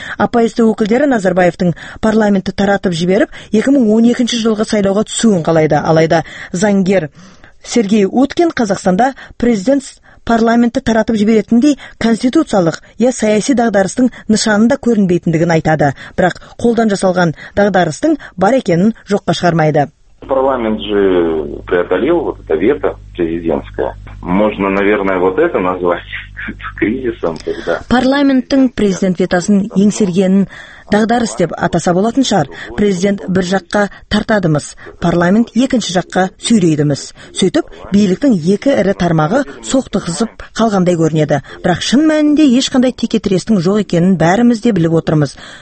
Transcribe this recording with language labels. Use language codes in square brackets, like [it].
[kk] Оппозиция өкілдері Назарбаевтың парламентті таратып жіберіп, 2012 жылғы сайлауға түсуін қалайды. Алайда заңгер Сергей Уткин Қазақстанда президент парламентті таратып жіберетіндей конституциялық е саяси дағдарыстың нышанында көрінбейтіндігін айтады, бірақ қолдан жасалған дағдарыстың бар екенін жоққа шығармайды. [ru] Парламент же преодолел вот это вето президентское. Можно, наверное, вот это назвать кризисом тогда. [kk] Парламенттің президент ветосын еңсергенін дағдарыс деп атаса болатын шығар. Президент бір жаққа тартадымыз, парламент екінші жаққа сүйрейдіміз. Сөйтіп, биліктің екі ірі тармағы соқтығысып қалғандай көрінеді. Бірақ шын мәнінде ешқандай текетірестің жоқ екенін бәріміз де біліп отырмыз.